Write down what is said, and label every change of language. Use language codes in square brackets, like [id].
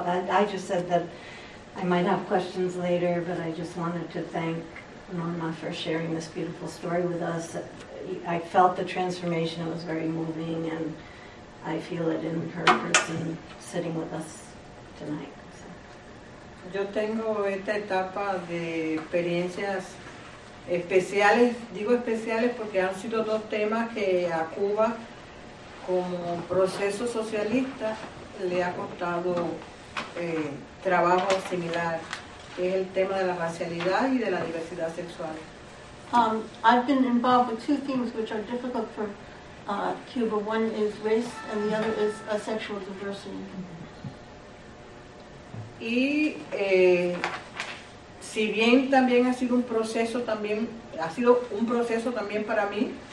[en] I just said that I might have questions later, but I just wanted to thank Norma for sharing this beautiful story with us. I felt the transformation, it was very moving, and I feel it in her person sitting with us tonight. So. [es] Yo tengo esta etapa de experiencias especiales, digo especiales porque han sido dos temas que a Cuba, como proceso socialista, le ha costado trabajo similar, que es el tema de la racialidad y de la diversidad sexual. [en] I've been involved with two things which are difficult for Cuba. One is race and the other is a sexual diversity. [es] Y si bien también ha sido un proceso, también ha sido un proceso también para mí.